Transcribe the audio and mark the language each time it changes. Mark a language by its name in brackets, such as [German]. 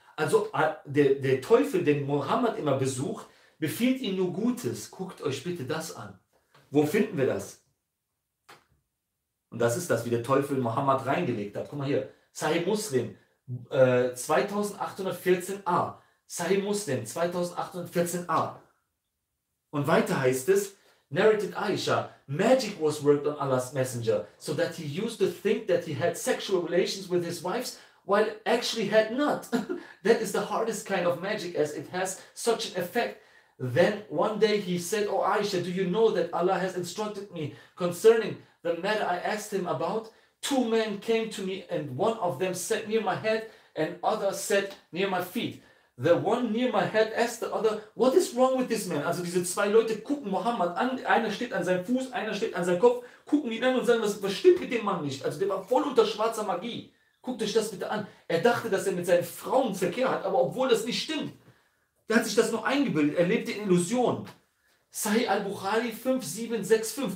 [German] Also der Teufel, den Mohammed immer besucht, befiehlt ihm nur Gutes. Guckt euch bitte das an. Wo finden wir das? Und das ist das, wie der Teufel Mohammed reingelegt hat. Guck mal hier, Sahih Muslim 2814a. Sahih Muslim 2814a. Und weiter heißt es, [English] narrated Aisha, magic was worked on Allah's messenger so that he used to think that he had sexual relations with his wives while actually had not. That is the hardest kind of magic as it has such an effect. Then one day he said, "Oh Aisha, do you know that Allah has instructed me concerning the matter I asked him about? Two men came to me and one of them sat near my head and other sat near my feet. The one near my head asked the other, what is wrong with this man?" [German] Also diese zwei Leute gucken Muhammad an, einer steht an seinem Fuß, einer steht an seinem Kopf, gucken ihn an und sagen, was stimmt mit dem Mann nicht? Also der war voll unter schwarzer Magie. Guckt euch das bitte an. Er dachte, dass er mit seinen Frauen Verkehr hat, aber obwohl das nicht stimmt. Der hat sich das nur eingebildet, er lebte in Illusionen. Sahih al-Bukhari 5765.